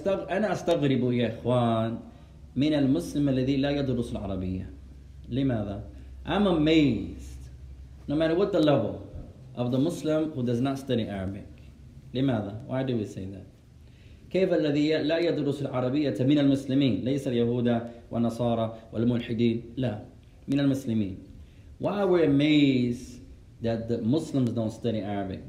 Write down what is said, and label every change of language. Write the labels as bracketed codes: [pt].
[ar] أنا أستغرب يا إخوان من المسلم الذي لا يدرس العربية. لماذا؟ [en] I'm amazed, no matter what the level, of the Muslim who does not study Arabic. [ar] لماذا؟ [en] Why do we say that? [ar] كيف الذي لا يدرس العربية من المسلمين؟ ليس اليهود والنصارى والملحدين. لا, من المسلمين. [en] Why are we amazed that the Muslims don't study Arabic?